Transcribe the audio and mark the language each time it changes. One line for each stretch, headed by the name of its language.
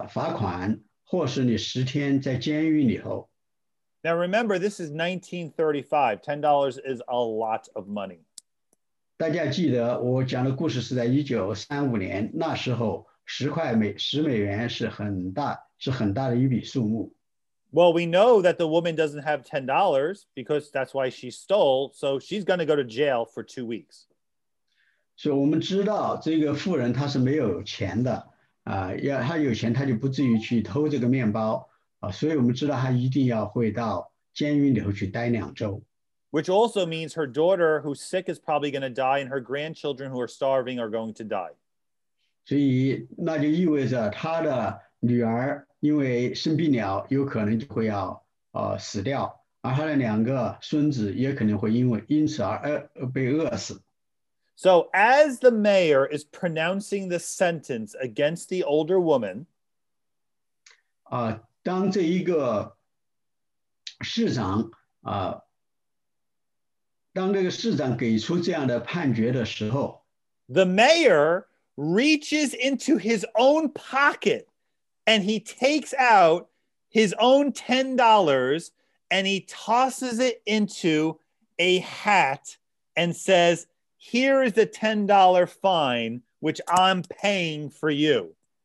Chinese: 所以他就对这个妇人说，你的处罚是十美元的罚款，或是你10天在监狱里头。
English: Now remember, this is 1935. $10 is a lot of money.
Chinese: 大家记得我讲的故事是在1935年，那时候十美元是很大的一笔数目。
English: Well, we know that the woman doesn't have $10 because that's why she stole, so she's going to go to jail for 2 weeks.
Chinese: 所以我们知道这个妇人她是没有钱的，她有钱她就不至于去偷这个面包，所以我们知道她一定要回到监狱里头去待2周。
English: Which also means her daughter who's sick is probably going to die and her grandchildren who are starving are going to die.
Chinese: 所以那就意味着她的女儿 因为生病了，有可能就会要死掉，而他的两个孙子也可能会因为因此而被饿死。
English: So as the mayor is pronouncing the sentence against the older woman,
Chinese: 当这个市长给出这样的判决的时候,
English: the mayor reaches into his own pocket. And he takes out his own $10 and he tosses it into a hat and says, here is the $10 fine, which I'm paying for you.